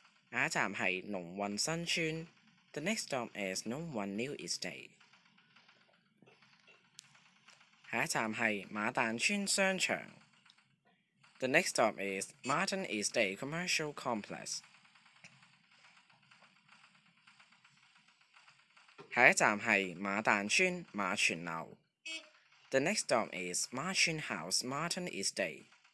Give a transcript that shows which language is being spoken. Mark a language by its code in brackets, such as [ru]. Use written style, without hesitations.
[zh] 下一站是龙运新村。 [en] The next stop is Long Wan New Estate. [zh] 下一站是马旦村商场。 [en] The next stop is Martin Estate Commercial Complex. [zh] 下一站是马旦村马泉楼。 [en] The next stop is Ma Chun House Martin Estate.